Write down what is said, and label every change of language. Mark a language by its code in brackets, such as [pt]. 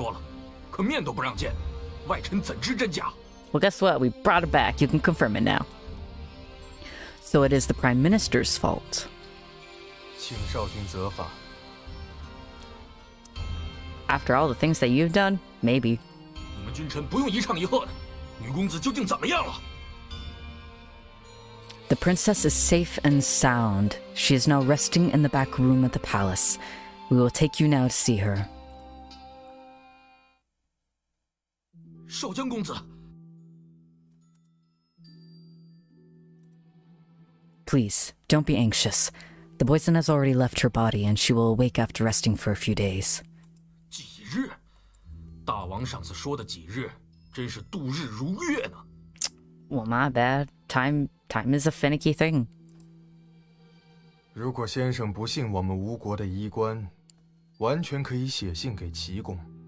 [zh] 臣已经告知过先生了。说是说了，可面都不让见，外臣怎知真假？ [en] Well, guess what? We brought her back. You can confirm it now. So it is the Prime Minister's fault. [zh] 请少卿责罚。 [en] After all the things that you've done, maybe. [zh] 你们君臣不用一唱一和的，女公子究竟怎么样了？ [en] The princess is safe and sound. She is now resting in the back room of the palace. We will take you now to see her. [zh] 少将公子! [en] Please, don't be anxious. The poison has already left her body and she will awake after resting for a few days. [zh] 几日? 大王上次说的几日, 真是度日如月呢? [en] Well, my bad. Time is a finicky thing. [zh] 如果先生不信我们吴国的医官, 完全可以写信给齐公。